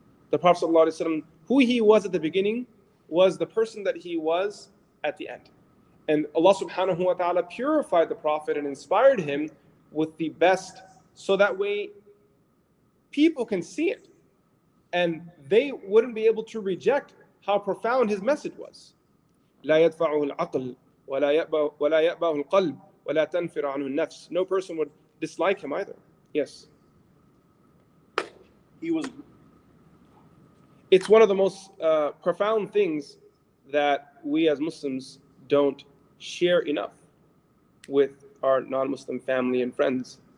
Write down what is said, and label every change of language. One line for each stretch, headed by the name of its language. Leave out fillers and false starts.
English: The Prophet sallallahu alayhi wa sallam, who he was at the beginning, was the person that he was at the end. And Allah subhanahu wa ta'ala purified the Prophet and inspired him with the best, so that way people can see it. And they wouldn't be able to reject how profound his message was.
Arabic: لا يدفعه العقل ولا يأباه القلب ولا تنفر عنه النفس.
English: No person would dislike him either. Yes. It's one of the most profound things that we as Muslims don't share enough with our non-Muslim family and friends.